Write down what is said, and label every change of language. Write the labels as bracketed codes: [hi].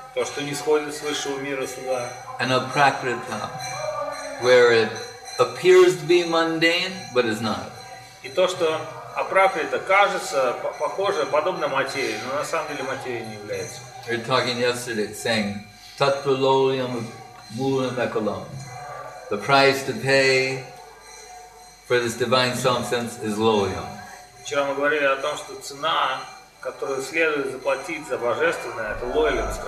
[ru] То, что нисходит с высшего мира сюда. [en] And a prakrita, where it appears to be mundane, but is not. [ru] И то, что апракрита кажется похоже, подобно материи, но на самом деле материи не является. [en] We were talking yesterday, saying, [sa] tatvalolyam mulam ekalam. [en] The price to pay for this divine substance is lolyam. [ru] Вчера мы говорили о том, что цена которую следует заплатить за божественное, это лояльность.